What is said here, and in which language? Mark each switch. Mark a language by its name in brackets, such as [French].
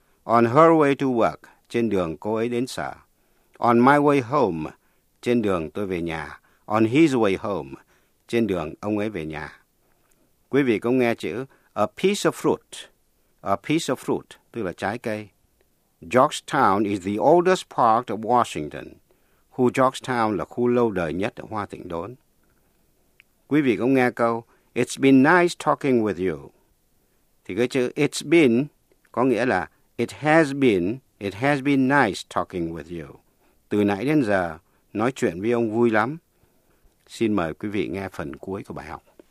[English] On her way to work, [Vietnamese] trên đường cô ấy đến sở. [English] On my way home, [Vietnamese] trên đường tôi về nhà. [English] On his way home, [Vietnamese] trên đường ông ấy về nhà. Quý vị cũng nghe chữ [English] a piece of fruit. A piece of fruit, [Vietnamese] tức là trái cây. [English] Georgetown is the oldest part of Washington. [Vietnamese] Khu Georgetown là khu lâu đời nhất ở Hoa Thịnh Đốn. Quý vị cũng nghe câu [English] it's been nice talking with you. [Vietnamese] Thì cái chữ [English] it's been [Vietnamese] có nghĩa là [English] it has been nice talking with you. [Vietnamese] Từ nãy đến giờ nói chuyện với ông vui lắm. Xin mời quý vị nghe phần cuối của bài học.